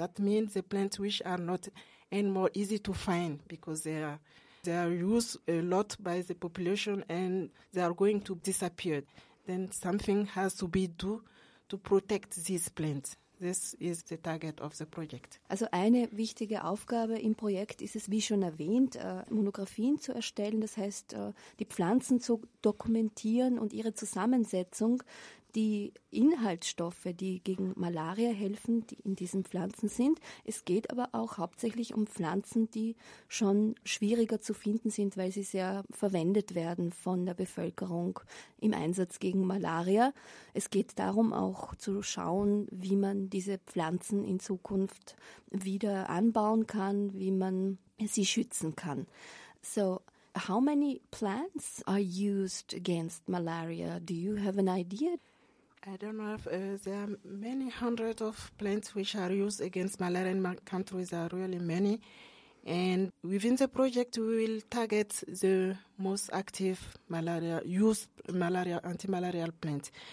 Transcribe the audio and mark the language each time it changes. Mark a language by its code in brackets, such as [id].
[en] That means the plants which are not any more easy to find because they are used a lot by the population and they are going to disappear. Then something has to be done to protect these plants. This is the target of the project. [de] Also eine wichtige Aufgabe im Projekt ist es, wie schon erwähnt, Monographien zu erstellen, das heißt, die Pflanzen zu dokumentieren und ihre Zusammensetzung, die Inhaltsstoffe, die gegen Malaria helfen, die in diesen Pflanzen sind. Es geht aber auch hauptsächlich um Pflanzen, die schon schwieriger zu finden sind, weil sie sehr verwendet werden von der Bevölkerung im Einsatz gegen Malaria. Es geht darum, auch zu schauen, wie man diese Pflanzen in Zukunft wieder anbauen kann, wie man sie schützen kann. [en] So, how many plants are used against malaria? Do you have an idea? I don't know if there are many hundreds of plants which are used against malaria in my country. There are really many. And within the project, we will target the most active anti-malarial plants.